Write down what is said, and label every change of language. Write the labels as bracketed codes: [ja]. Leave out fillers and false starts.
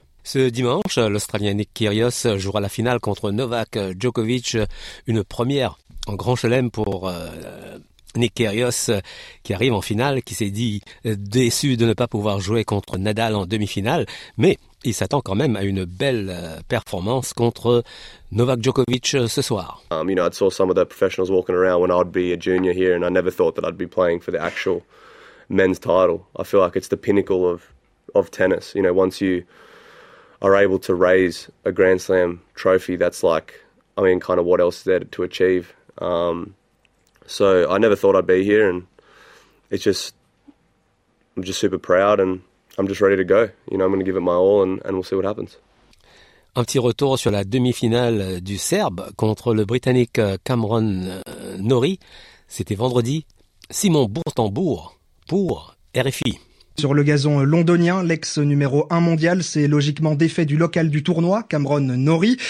[fr] Ce dimanche, l'Australien Nick Kyrgios jouera la finale contre Novak Djokovic, une première en grand chelem pour Nick Kyrgios, qui arrive en finale, qui s'est dit déçu de ne pas pouvoir jouer contre Nadal en demi-finale, mais il s'attend quand même à une belle performance contre Novak Djokovic ce soir. [en] You know, I saw some of the professionals walking around when I'd be a junior here, and I never thought that I'd be playing for the actual men's title. I feel like it's the pinnacle of of tennis. You know, once you are able to raise a Grand Slam trophy, that's like, I mean, kind of what else is there to achieve? So I never thought I'd be here, and it's just, I'm just super proud, and I'm just ready to go. You know, I'm going to give it my all, and we'll see what happens. [fr] Un petit retour sur la demi-finale du Serbe contre le Britannique Cameron Norrie. C'était vendredi. Simon Bourtembourg pour RFI. Sur le gazon londonien, l'ex numéro 1 mondial s'est logiquement défait du local du tournoi, Cameron Norrie.